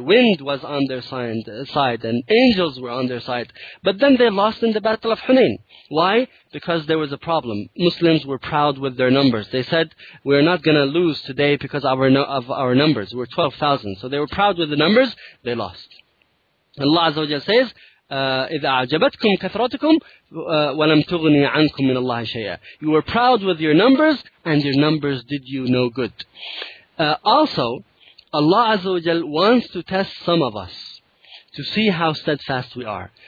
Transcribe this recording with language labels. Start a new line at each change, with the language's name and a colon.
English: Wind was on their side and angels were on their side. But then they lost in the Battle of Hunain. Why? Because there was a problem. Muslims were proud with their numbers. They said, we're not going to lose today because of our numbers. We're 12,000. So they were proud with the numbers. They lost. Allah Azza wa Jal says,
Arabic: إِذْ أَعْجَبَتْكُمْ كَثْرَتُكُمْ وَلَمْ تُغْنِي عَنْكُمْ مِنَ اللَّهِ شَيْئًا.
English: You were proud with your numbers and your numbers did you no good. Also, Allah Azza wa Jal wants to test some of us to see how steadfast we are.